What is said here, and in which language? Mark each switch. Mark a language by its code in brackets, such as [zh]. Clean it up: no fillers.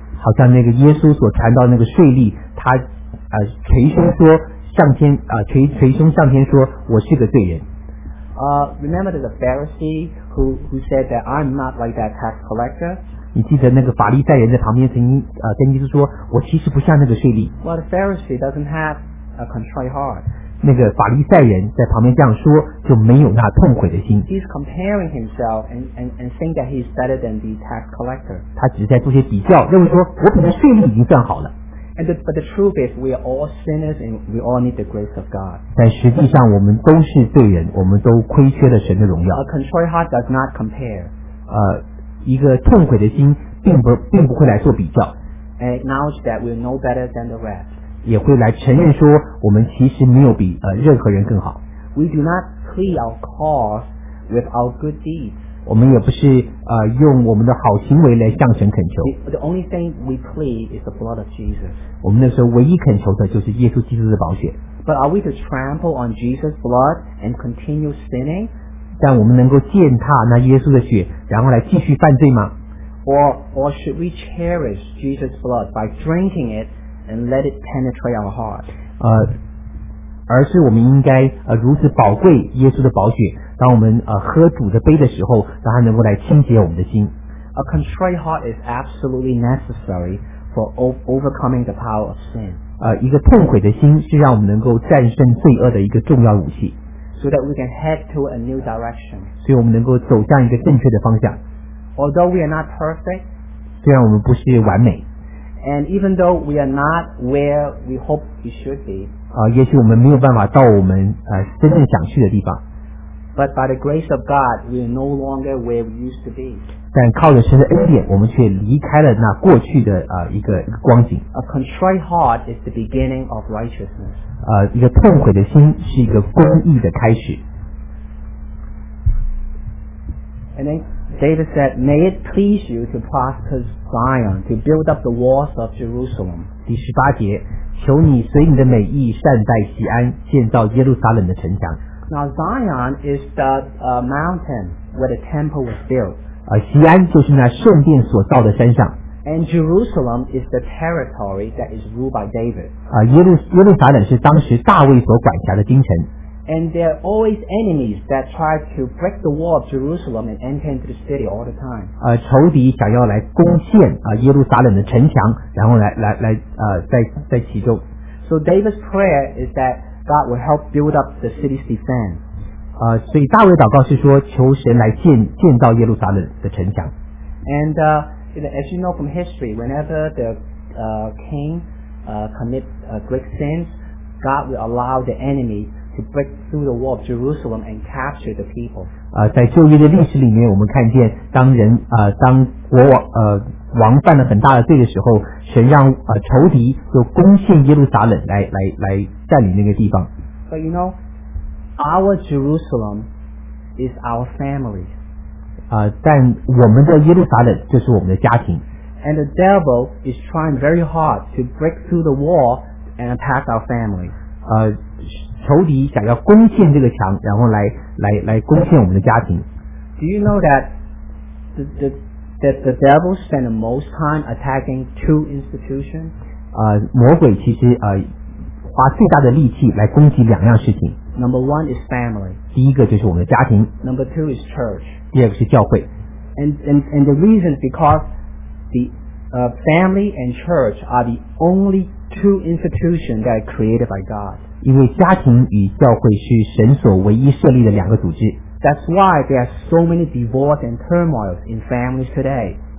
[zh] 好像那个耶稣所传道那个税吏，他捶胸说向天捶胸向天说，我是个罪人。 [en] Remember the Pharisee who said that I'm not like that tax collector. [zh] 你记得那个法利赛人在旁边曾经跟耶稣说，我其实不像那个税吏。 [en] Well, the Pharisee doesn't have a contrite heart. [zh] 那个法利赛人在旁边这样说，就没有那痛悔的心。 [en] He's comparing himself and saying that he's better than the tax collector. [zh] 他只是在做些比较，认为说我比那税吏已经算好了。 [en] But the truth is, we are all sinners and we all need the grace of God. [zh] 但实际上我们都是罪人，我们都亏缺了神的荣耀。 [en] A contrite heart does not compare. [zh] 一个痛悔的心并不会来做比较， [en] and acknowledge that we're no better than the rest. [zh] 也会来承认说我们其实没有比任何人更好。 [en] We do not plead our cause with our good deeds. [zh] 我们也不是用我们的好行为来向神恳求。 [en] The only thing we plead is the blood of Jesus. [zh] 我们那时候唯一恳求的就是耶稣基督的宝血。 [en] But are we to trample on Jesus' blood and continue sinning? [zh] 但我们能够践踏那耶稣的血，然后来继续犯罪吗？ [en] Or should we cherish Jesus' blood by drinking it and let it penetrate our heart? [zh] 而是我们应该如此宝贵耶稣的宝血，当我们喝主的杯的时候，让它能够来清洁我们的心。 [en] A contrite heart is absolutely necessary for overcoming the power of sin. [zh] 一个痛悔的心是让我们能够战胜罪恶的一个重要武器。 [en] So that we can head to a new direction. [zh] 所以我们能够走向一个正确的方向。 [en] Although we are not perfect, [zh] 虽然我们不是完美。 [en] And even though we are not where we hope we should be, [zh] 也许我们没有办法到我们真正想去的地方。 [en] But by the grace of God, we are no longer where we used to be. [zh] 但靠着神的恩典，我们却离开了那过去的一个光景。 [en] A contrite heart is the beginning of righteousness. [zh] 一个痛悔的心是一个公义的开始。 [en] And then David said, "May it please you to prosper Zion, to build up the walls of Jerusalem." [zh] 第十八节，求你随你的美意善待锡安，建造耶路撒冷的城墙。 [en] Now Zion is the mountain where the temple was built. [zh] 锡安就是那圣殿所造的山上。 [en] And Jerusalem is the territory that is ruled by David. [zh] 耶路撒冷是当时大卫所管辖的京城。 [en] And there are always enemies that try to break the wall of Jerusalem and enter into the city all the time. [zh] 仇敌想要来攻陷耶路撒冷的城墙，然后来在其中。 [en] So David's prayer is that. God will help build up the city's defense. [zh] 所以大卫祷告是说，求神来建造耶路撒冷的城墙。 [en] And as you know from history, whenever the king commit great sins, God will allow the enemy to break through the wall of Jerusalem and capture the people. [zh] 在旧约的历史里面，我们看见当人当国王王犯了很大的罪的时候，神让仇敌就攻陷耶路撒冷来占领那个地方。 [en] But you know, our Jerusalem is our family. [zh] 但我们的耶路撒冷就是我们的家庭。 [en] And the devil is trying very hard to break through the wall and attack our family. [zh] 仇敌想要攻陷这个墙，然后来攻陷我们的家庭。 [en] Do you know that the devil spend the most time attacking two institutions? [zh] 魔鬼其实花最大的力气来攻击两样事情。 [en] Number one is family. [zh] 第一个就是我们的家庭。 [en] Number two is church. [zh] 第二个是教会。 [en] And the reason is because family and church are the only two institutions that are created by God. [zh] 因为家庭与教会是神所唯一设立的两个组织。 [en] That's why there are so many divorce and turmoil in families today.